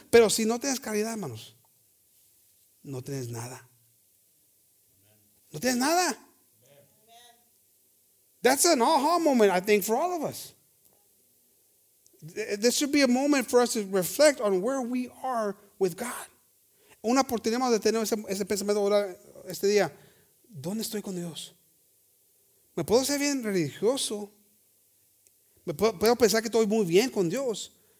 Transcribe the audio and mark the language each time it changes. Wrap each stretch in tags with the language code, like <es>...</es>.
<es>Pero si no tienes caridad, hermanos, no tienes nada. No tienes nada.</es> <en>That's an aha moment, I think, for all of us. This should be a moment for us to reflect on where we are with God.</en> <es>Una oportunidad más de tener ese pensamiento ahora, este día. ¿Dónde estoy con Dios? Me puedo ser bien religioso. Me puedo pensar que estoy muy bien con Dios.</es>